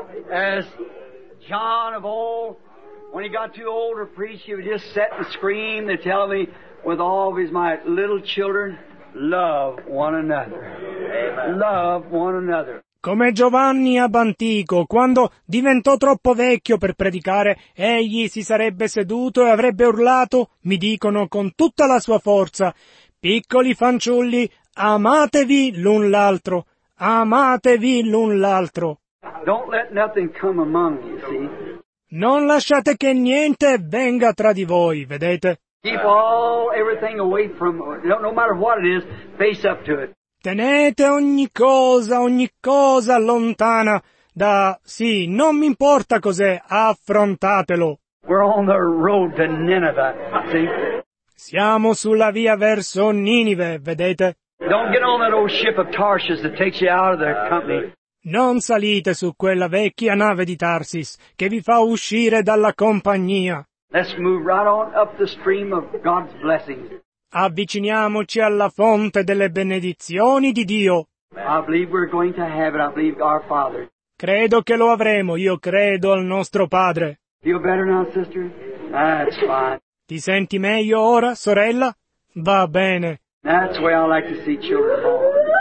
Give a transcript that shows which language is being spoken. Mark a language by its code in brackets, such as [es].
[en] As John of old, when he got too old to preach, he would just set and scream to tell me with all of his might, little children, love one another. Amen. Love one another. [it] Come Giovanni ab antico, quando diventò troppo vecchio per predicare, egli si sarebbe seduto e avrebbe urlato, mi dicono con tutta la sua forza, piccoli fanciulli, amatevi l'un l'altro, amatevi l'un l'altro. [en] Don't let nothing come among you, see? [it] Non lasciate che niente venga tra di voi, vedete? [en] Keep all everything away from, no matter what it is, face up to it. [it] Tenete ogni cosa lontana da, sì, non mi importa cos'è, affrontatelo. [en] We're on the road to Nineveh, see? [it] Siamo sulla via verso Ninive, vedete? [en] Don't get on that old ship of Tarshish that takes you out of their company. [it] Non salite su quella vecchia nave di Tarsis che vi fa uscire dalla compagnia. [en] Let's move right on up the stream of God's blessings. [it] Avviciniamoci alla fonte delle benedizioni di Dio. [en] I believe we're going to have it. I believe our Father. [it] Credo che lo avremo. Io credo al nostro Padre. [en] Feel better now, sister? That's fine. [it] Ti senti meglio ora, sorella? Va bene. [en] That's where I like to see children born.